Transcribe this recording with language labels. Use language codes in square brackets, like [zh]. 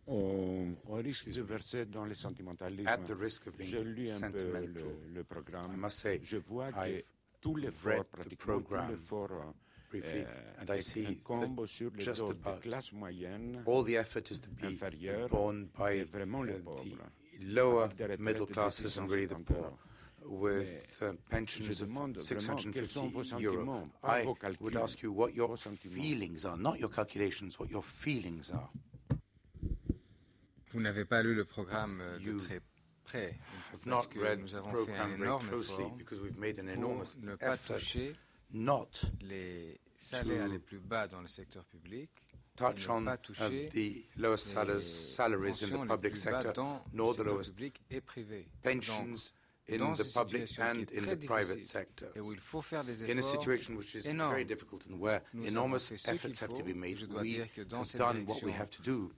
[fr] au risque de verser dans le sentimentalisme, je lis un peu le programme. [en] Say, [fr] je vois que tous les efforts, pratiquement tous les efforts, incombent sur les dos de classe moyenne inférieure et vraiment les pauvres. [en] With pensions of 650 euro, I would ask you what your feelings are, not your calculations, what your feelings are. [fr] Vous n'avez pas lu le programme de très près, parce que nous avons fait un énorme effort pour ne pas toucher les salaires les plus bas dans le secteur public, [en] touch on the lowest salaries in the public sector, nor the lowest pensions in the public and in the private sectors. In a situation which is very difficult and where enormous efforts have to be made, we have done what we have to do.